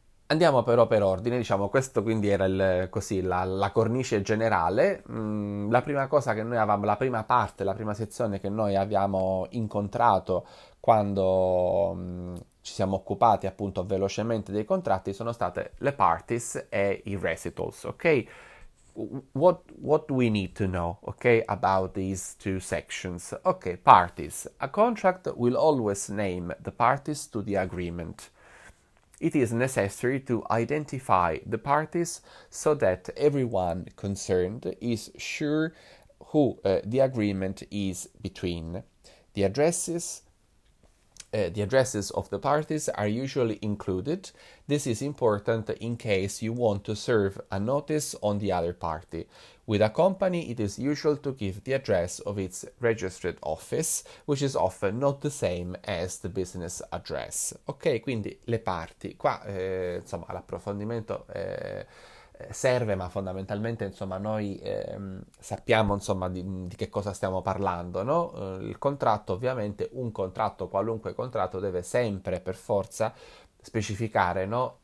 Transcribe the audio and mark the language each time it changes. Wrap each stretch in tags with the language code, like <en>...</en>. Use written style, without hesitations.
<it>Andiamo però per ordine, diciamo, questo quindi era la cornice generale. La prima parte, la prima sezione che noi abbiamo incontrato quando ci siamo occupati appunto velocemente dei contratti sono state le parties e i recitals, ok?</it> <en>what do we need to know, okay, about these two sections? Okay, parties. A contract will always name the parties to the agreement. It is necessary to identify the parties so that everyone concerned is sure who the agreement is between. The addresses of the parties are usually included. This is important in case you want to serve a notice on the other party. With a company, it is usual to give the address of its registered office, which is often not the same as the business address.</en> <it>Ok, quindi le parti. Qua, insomma, l'approfondimento serve, ma fondamentalmente, insomma, noi sappiamo, insomma, di che cosa stiamo parlando, no? Il contratto, ovviamente, un contratto, qualunque contratto, deve sempre, per forza, specificare, no?</it>